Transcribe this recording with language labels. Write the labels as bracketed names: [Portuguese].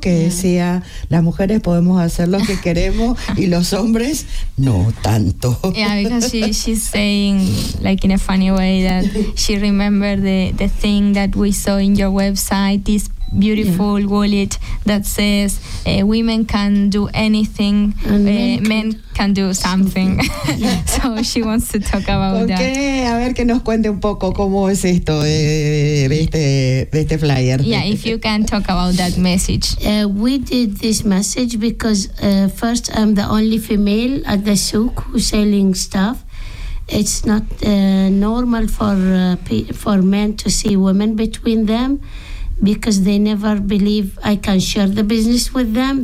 [Spanish] Que decía, las mujeres podemos hacer lo que queremos y los hombres no tanto. [English] Yeah, because she's saying, like in a funny way, that she remembered the thing that we saw in your website, this beautiful yeah. wallet that says women can do anything and men can do something. So she wants to talk about okay, that. [Spanish] A ver que nos cuente un poco cómo es esto de este flyer. [English] Yeah, if you can talk about that message. We did this message because first I'm the only female at the souk who's selling stuff. It's not normal for men to see women between them, because they never believe I can share the business with them.